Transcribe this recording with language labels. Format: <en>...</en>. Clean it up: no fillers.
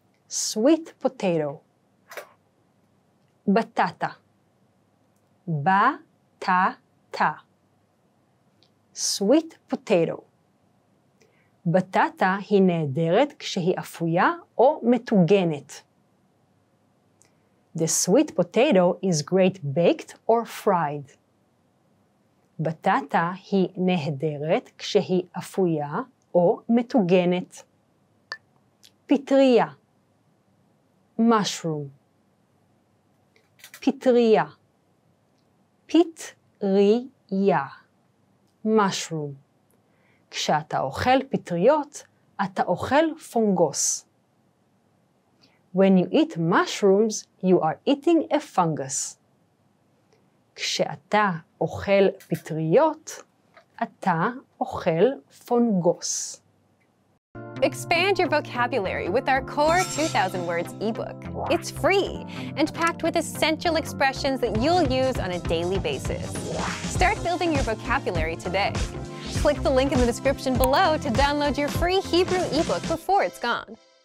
<en>Sweet potato. בטטה. בטטה. Sweet potato.</en> <he>בטטה היא נהדרת כשהיא אפויה או מטוגנת.</he> <en>The sweet potato is great baked or fried.</en> <he>בטטה היא נהדרת כשהיא אפויה או מטוגנת. פטריה. Mushroom. פטריה. פטריה. Mushroom. כשאתה אוכל פטריות, אתה אוכל פונגוס.</he> <en>When you eat mushrooms, you are eating a fungus.</en> <he>כשאתה אוכל פטריות, אתה אוכל פונגוס.</he> <en>Expand your vocabulary with our Core 2000 Words ebook. It's free and packed with essential expressions that you'll use on a daily basis. Start building your vocabulary today. Click the link in the description below to download your free Hebrew ebook before it's gone.</en>